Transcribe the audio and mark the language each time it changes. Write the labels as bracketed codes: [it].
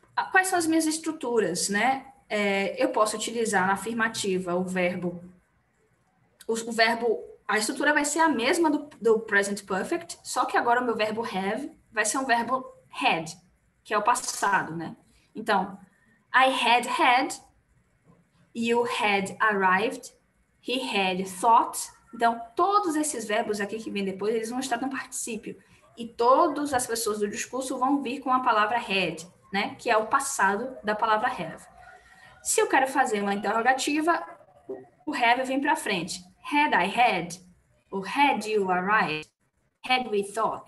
[pt] Quais são as minhas estruturas, né? Eu posso utilizar na afirmativa o verbo. A estrutura vai ser a mesma do present perfect, só que agora o meu verbo have vai ser um verbo had, que é o passado, né? [en] Então, I had, you had arrived, he had thought. [pt] Então, todos esses verbos aqui que vêm depois, eles vão estar no particípio. E todas as pessoas do discurso vão vir com a palavra had, né? Que é o passado da palavra have. Se eu quero fazer uma interrogativa, o have vem para frente. [en] Had I had? Or had you arrived? Had we thought?